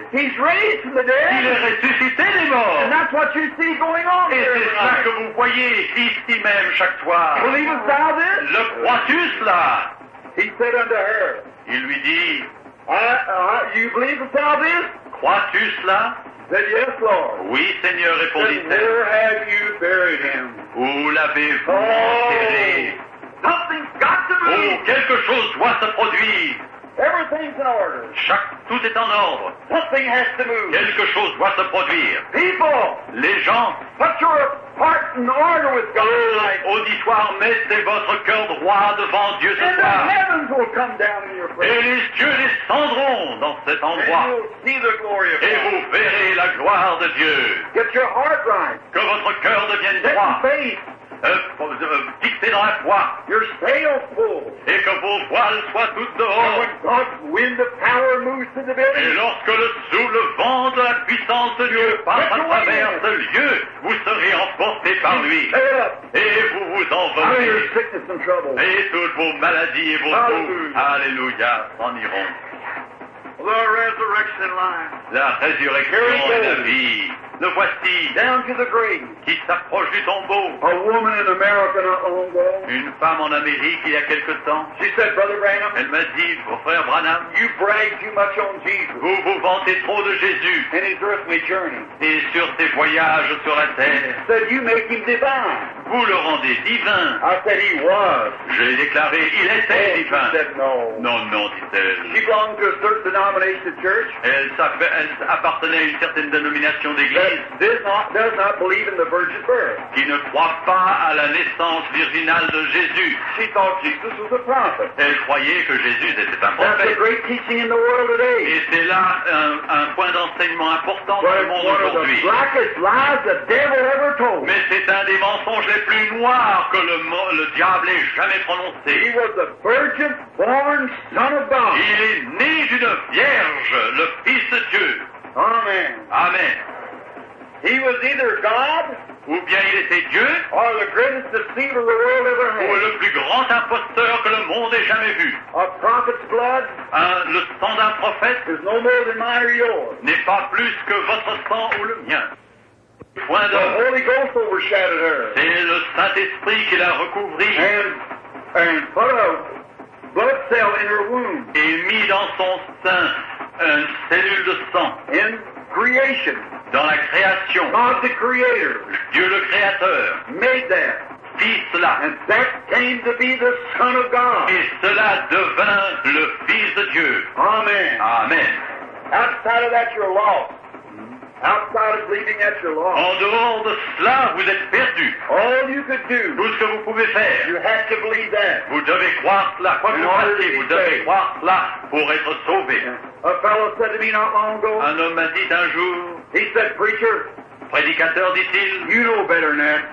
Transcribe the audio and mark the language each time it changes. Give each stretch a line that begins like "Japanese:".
English: He's raised from the dead.
French: Il est ressuscité des morts.
English: And that's what you see going on.
French: Et c'est ça que vous voyez ici même chaque fois.
English: Believest thou this?
French: Le crois-tu cela?
English: He said unto her.
French: Il lui dit.
English: You believe the salvation?
French: Crois-tu cela?
English: He said yes, Lord.
French: Oui, Seigneur, répondit-elle.
English: Where have you buried him?
French: Où l'avez-vous enterré?
English: Something's got to move.
French: Oh, quelque chose doit se produire.
English: Everything's in order.
French: Tout est en ordre.
English: Something has to move.
French: Quelque chose doit se produire.
English: People.
French: Les gens.
English: Put your heart in order with God.
French: Auditoire, mettez votre cœur droit devant Dieu ce
English: And
French: soir.
English: And the heavens will come down in your place.
French: Et les cieux descendront dans cet endroit.
English: And you'll see the glory of God.
French: Et vous verrez la gloire de Dieu.
English: Get your heart right.
French: Que votre cœur devienne
English: Get
French: droit.
English: Faith.
French: Fixé dans la foi.
English: Your sail full.
French: Et que vos voiles soient toutes dehors.
English: When God's wind of power moves to the village.
French: Et lorsque le souffle vent de la puissance de Dieu passe à travers ce lieu, vous serez emporté par lui. Et vous vous envolez. Et toutes vos maladies et vos maux, alléluia, s'en iront.
English: The resurrection line.
French: La résurrection et la vie. Le voici.
English: Down to the grave.
French: Qui s'approche du tombeau.
English: A woman in America not long ago.
French: Une femme en Amérique il y a quelque temps.
English: She said, Brother Branham.
French: Elle m'a dit, frère Branham.
English: You brag too much on Jesus.
French: Vous vous vantez trop de Jésus.
English: And his earthly journey.
French: Et sur ses voyages sur la terre.
English: She said, you make him divine.
French: Vous le rendez divin.
English: I said he was.
French: J'ai déclaré, il était oh, divin.
English: She said, no.
French: Non, non, dit-elle.
English: She belonged to a certain denomination of church.
French: Elle appartenait à une certaine dénomination d'église.
English: Does not believe in the virgin birth.
French: Qui ne croit pas à la naissance virginale de Jésus.
English: She thought Jesus was a prophet.
French: Elle croyait que Jésus était un prophète.
English: That's a great teaching in the world today.
French: Et c'est là un point d'enseignement important dans le monde aujourd'hui.
English: The blackest lies the devil ever told.
French: Mais c'est un des mensonges les plus noirs que le diable ait jamais prononcé.
English: He was a virgin born son of God.
French: Il est né d'une vierge, le Fils de Dieu.
English: Amen.
French: Amen.
English: He was either God,
French: ou bien il était Dieu,
English: or the greatest deceiver the world ever had.
French: Ou le plus grand imposteur que le monde ait jamais vu.
English: A prophet's blood,
French: le sang d'un prophète,
English: is no more than mine or yours.
French: N'est pas plus que votre sang ou le mien.
English: Point the Holy Ghost overshadowed her.
French: C'est le Saint-Esprit qui l'a recouvrie.
English: And put a blood cell in her womb.
French: Et mis dans son sein une cellule de sang.
English: In creation.
French: Dans la création.
English: God the Creator.
French: Dieu le Créateur.
English: Made that.
French: Fit cela.
English: And that came to be the Son of God.
French: Et cela devint le Fils de Dieu.
English: Amen.
French: Amen.
English: Outside of that, you're lost. Outside of believing that, you're lost.
French: En dehors de cela, vous êtes perdu.
English: All you could do.
French: Tout ce que vous pouvez faire.
English: You have to believe that.
French: Vous devez croire cela. Quoi que vous fassiez, vous devez croire cela pour être sauvé.
English: A fellow said to me not long ago.
French: Un homme m'a dit un jour.
English: He said, preacher,
French: prédicateur, dit-il,
English: you know better than that.